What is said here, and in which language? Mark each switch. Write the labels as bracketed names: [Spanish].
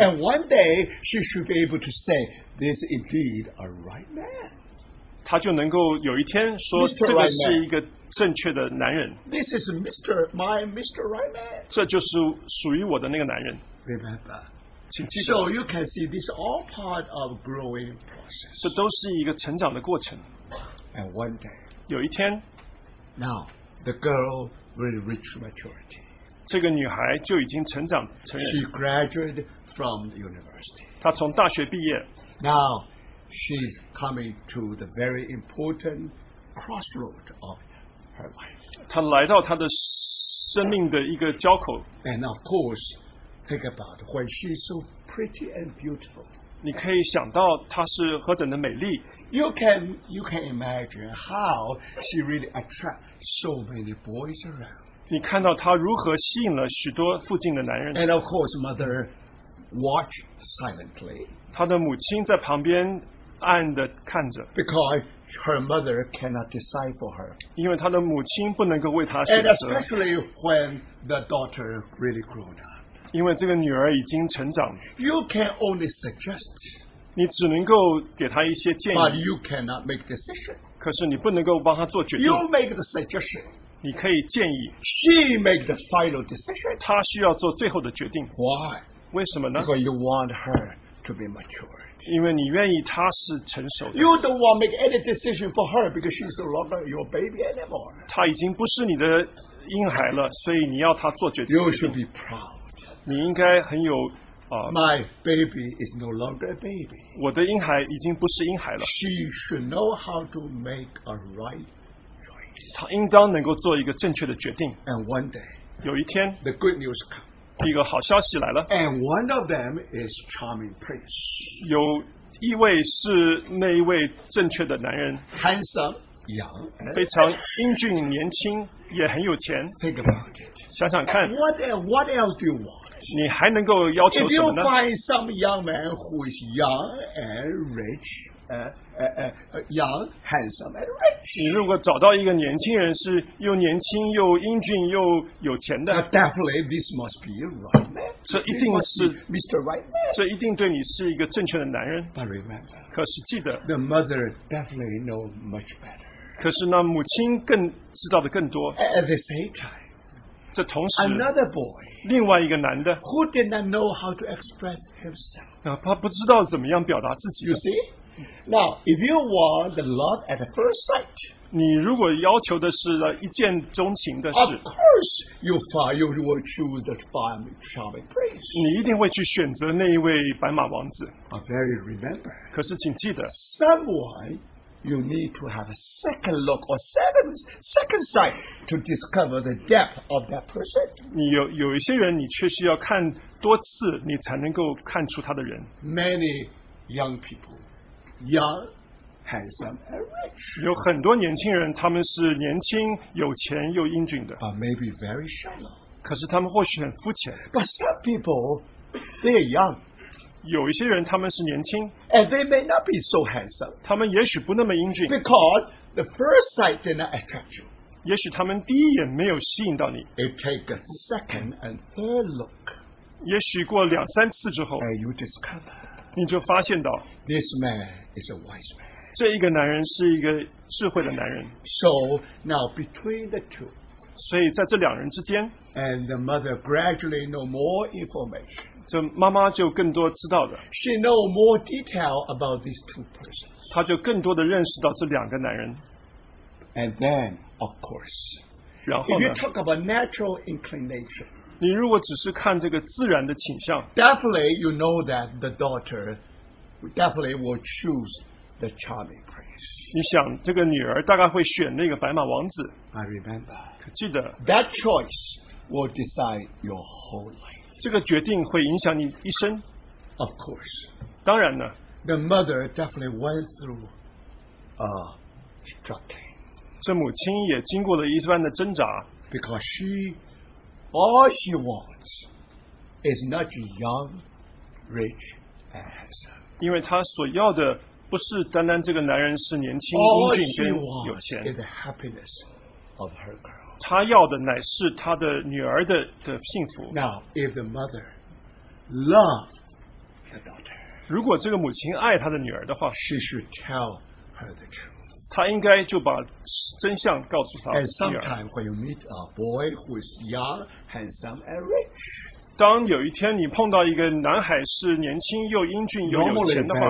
[English] and one day she should be able to say this indeed a right man [Chinese] 他就能够有一天说这个是一个正确的男人 [English] this is my Mr. Right Man [Chinese] 这就是属于我的那个男人 [English] remember So you can see this all part of growing process. [Chinese] 这都是一个成长的过程。 [English] And one day, [Chinese] 有一天 [English] now the girl will reach maturity. [Chinese] 这个女孩就已经成长成人。 [English] She graduated from the university. [Chinese] 她从大学毕业。 [English] Now she's coming to the very important crossroad of her life. [Chinese] 她来到她的生命的一个交口。 [English] And of course. Think about when she's so pretty and beautiful. [Chinese] 你可以想到她是何等的美丽。 [English] You can imagine how she really attracts so many boys around. [Chinese] 你看到她如何吸引了许多附近的男人。 [English] And of course, mother watched silently. [Chinese] 她的母亲在旁边暗地看着。 [English] Because her mother cannot decide for her. [Chinese] 因为她的母亲不能够为她选择。 [English] And especially when the daughter really grown up. [Chinese] 因为这个女儿已经成长 [English] ，You can only suggest， [Chinese] 你只能够给她一些建议 [English] ，But you cannot make decision。 [Chinese] 可是你不能够帮她做决定 [English] ，You make the suggestion。 [Chinese] 你可以建议 [English] ，She make the final decision。 [Chinese] 她需要做最后的决定 [English] ，Why？ [Chinese] 为什么呢 [English] ？Because you want her to be mature。 [Chinese] 因为你愿意她是成熟的 [English] ，You don't want to make any decision for her because she's no longer your baby anymore。 [Chinese] 她已经不是你的婴孩了，所以你要她做决定。 [English] You should be proud。 [Chinese] 你应该很有 [English] My baby is no longer a baby. [Chinese] 我的婴孩已经不是婴孩了。 [English] She should know how to make a right choice. [Chinese] 她应当能够做一个正确的决定。 [English] And one day, [Chinese] 有一天 [English] the good news comes. [Chinese] 一个好消息来了。 [English] And one of them is charming prince. [Chinese] 有一位是那一位正确的男人。 [English] Handsome, young, [Chinese] 非常英俊年轻。也很有钱 [English] Think about it. [Chinese] 想想看 [English] what else do you want? [Chinese] 你还能够要求什么呢 [English] If you find some young man who is young and rich young, handsome and rich [Chinese] 你如果找到一个年轻人是又年轻又英俊又有钱的 [English] Definitely this must be a right man [Chinese] 这一定是 [English] Mr. Right Man [Chinese] 这一定对你是一个正确的男人 [English] But remember [Chinese] 可是记得 [English] The mother definitely know much better [Chinese] 可是那母亲更知道的更多。 [English] At the same time, [Chinese] 这同时 [English] another boy, [Chinese] 另外一个男的 [English] who did not know how to express himself. [Chinese] 他不知道怎么样表达自己。 [English] You see? Now, if you want the love at the first sight, [Chinese] 你如果要求的是一见钟情的事 [English] of course, you will choose the charming prince. [Chinese] 你一定会去选择那一位白马王子。 [English] I very remember. [Chinese] 可是请记得 [English] someone,You need to have a second look or second sight to discover the depth of that person. [Chinese] 有一些人你确实要看多次你才能够看出他的人。 [English] Many young people, young, handsome and rich. [Chinese] 有很多年轻人，他们是年轻、有钱又英俊的。 [English] But maybe very shallow. [Chinese] 可是他们或许很肤浅。 [English] But some people, they are young. [Chinese] 有一些人他们是年轻。 [English] And they may not be so handsome. [Chinese] 他们也许不那么英俊。 [English] Because the first sight did not attract you. [Chinese] 也许他们第一眼没有吸引到你。 [English] It takes a second and third look. [Chinese] 也许过两三次之后。 [English] And you discover. [Chinese] 你就发现到 [English] This man is a wise man. [Chinese] 这一个男人是一个智慧的男人。 [English] So now between the two, [Chinese] 所以在这两人之间 [English] and the mother gradually know more information. [Chinese] 这妈妈就更多知道的。 [English] She know more detail about these two persons. [Chinese] 她就更多的认识到这两个男人。 [English] And then, of course, [Chinese] 然后呢 [English] if you talk about natural inclination. [Chinese] 你如果只是看这个自然的倾向 [English] Definitely you know that the daughter Definitely will choose the charming prince [Chinese] 你想这个女儿大概会选那个白马王子 [English] I remember [Chinese] 记得 [English] That choice will decide your whole life [Chinese] 这个决定会影响你一生 [English] Of course [Chinese] 当然呢 [English] The mother definitely went through a struggle [Chinese] 这母亲也经过了一番的挣扎 [English] Because sheAll she wants is not young, rich, and handsome. [Chinese] 因为她所要的不是单单这个男人是年轻、英俊跟有钱。 [English] All she wants is the happiness of her girl. [Chinese] 她要的乃是她的女儿的幸福。 [English] Now, if the mother loved the daughter, [Chinese] 如果这个母亲爱她的女儿的话 [English] she should tell her the truth. [Chinese] 她应该就把真相告诉她女儿。 [English] And sometimes when you meet a boy who is young,Handsome and rich. [Chinese] 当有一天你碰到一个男孩是年轻又英俊又有钱的话